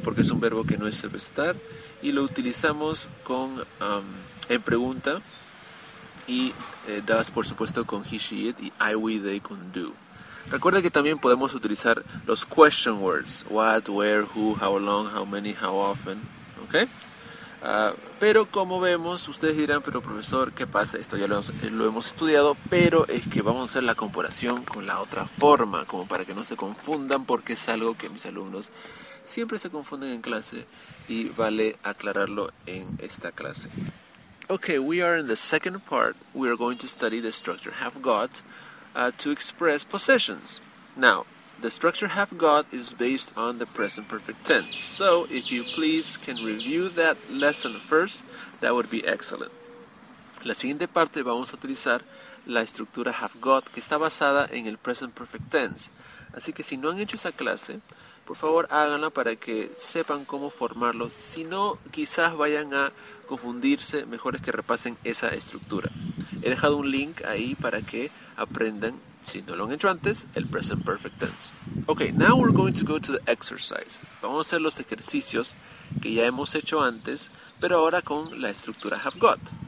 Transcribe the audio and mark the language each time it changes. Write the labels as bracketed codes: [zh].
[es] Porque es un verbo que no es el estar. Y lo utilizamos con en pregunta. Y does, por supuesto, con he, she, it, y I, we, they, con do. Recuerda que también podemos utilizar los question words. [en] What, where, who, how long, how many, how often. ¿Ok? [es] Pero como vemos, ustedes dirán, pero profesor, ¿qué pasa? Esto ya lo hemos estudiado, pero es que vamos a hacer la comparación con la otra forma, como para que no se confundan, porque es algo que mis alumnos siempre se confunden en clase y vale aclararlo en esta clase. [en] Ok, we are in the second part. We are going to study the structure have got to express possessions. Now, the structure have got is based on the present perfect tense. So, if you please can review that lesson first, that would be excellent. [es] La siguiente parte vamos a utilizar la estructura have got, que está basada en el present perfect tense. Así que si no han hecho esa clase, por favor háganla para que sepan cómo formarlos. Si no, quizás vayan a confundirse, mejor es que repasen esa estructura. He dejado un link ahí para que aprendan. Si no lo han hecho antes, el present perfect tense. [en] Okay, now we're going to go to the exercise. [es] Vamos a hacer los ejercicios que ya hemos hecho antes, pero ahora con la estructura have got.